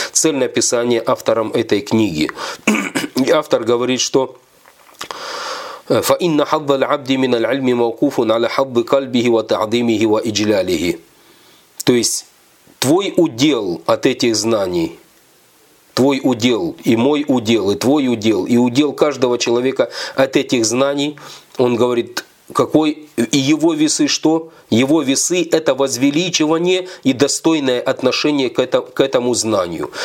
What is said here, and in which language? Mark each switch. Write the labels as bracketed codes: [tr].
[ru] Цель написания автором этой книги. И автор говорит, что [ar] فَإِنَّ حَظَّ الْعَبْدِ مِنَ الْعِلْمِ مَوْقُوفٌ عَلَى حَظِّ قَلْبِهِ وَتَعْظِيمِهِ وَإِجْلَالِهِ. [ru] То есть твой удел от этих знаний, твой удел и мой удел, и твой удел, и удел каждого человека от этих знаний, он говорит, какой, и его весы что? Его весы – это возвеличивание и достойное отношение к этому знанию.